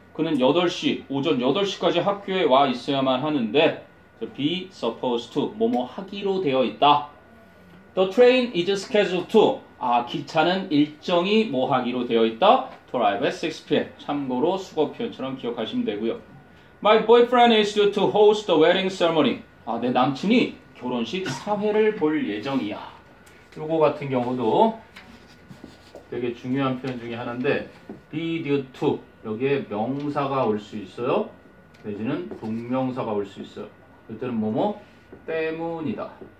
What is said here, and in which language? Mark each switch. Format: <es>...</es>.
<ko>그는 8시, 오전 8시까지 학교에 와 있어야만 하는데,</ko> <en>be supposed to,</en> <ko>뭐뭐 하기로 되어 있다.</ko> <en>The train is scheduled to,</en> <ko>아, 기차는 일정이 뭐 하기로 되어 있다.</ko> <en>Drive at 6 p.m.</en> <ko>참고로 수거 표현처럼 기억하시면 되고요.</ko> <en>My boyfriend is due to host the wedding ceremony.</en> <ko>아, 내 남친이 결혼식 사회를 볼 예정이야. 요거 같은 경우도 되게 중요한 표현 중에 하나인데 be due to, 여기에 명사가 올 수 있어요. 내지는 동명사가 올 수 있어요. 이때는 뭐뭐? 때문이다.</ko>